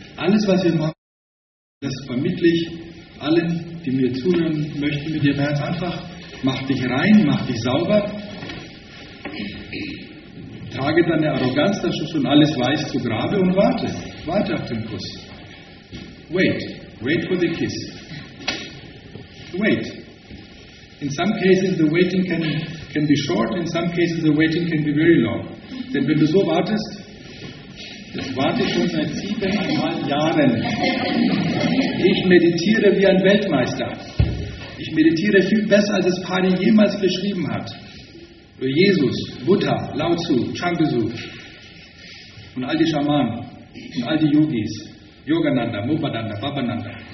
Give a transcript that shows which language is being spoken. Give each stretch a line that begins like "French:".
German: Alles, was wir machen, das vermittle ich allen, die mir zuhören möchten, mit ihrem Herz einfach. Mach dich rein, mach dich sauber. Trage deine Arroganz, dass du schon alles weißt, zu Grabe und warte. Warte auf den Kuss.
English: Wait for the kiss. to wait. In some cases the waiting can be short, in some cases the waiting can be very long.
German: Denn wenn du so wartest, ich warte schon seit 7 Jahren. Ich meditiere wie ein Weltmeister. Ich meditiere viel besser, als es Pali jemals beschrieben hat. Über Jesus, Buddha, Lao Tzu, Changbesu und all die Schamanen und all die Yogis, Yogananda, Mopadanda, Babananda.